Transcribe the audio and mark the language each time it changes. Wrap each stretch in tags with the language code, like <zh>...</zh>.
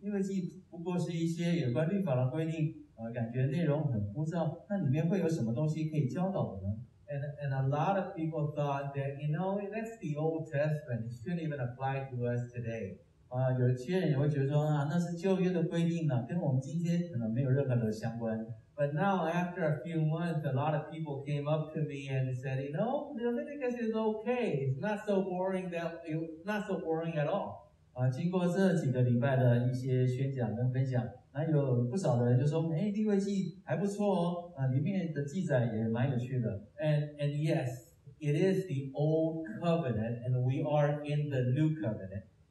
<zh>当我刚开始跟大家分享利未记讯息的时候，有人会觉得说，利未记不过是一些有关律法的规定。感觉内容很枯燥，那里面会有什么东西可以教导我们？</zh> <en>And a lot of people thought that, you know, that's the Old Testament, it shouldn't even apply to us today.</en> <zh>有些人也会觉得说，那是旧约的规定呢，跟我们今天可能没有任何的相关。</zh> <en>But now, after a few months, a lot of people came up to me and said, you know, Leviticus is okay, it's not so boring at all.</en> <zh>经过这几个礼拜的一些宣讲跟分享， 那有不少的人就说，哎，利未记还不错哦，啊，里面的记载也蛮有趣的。</zh> <en>And yes, it is the old covenant, and we are in the new covenant.</en>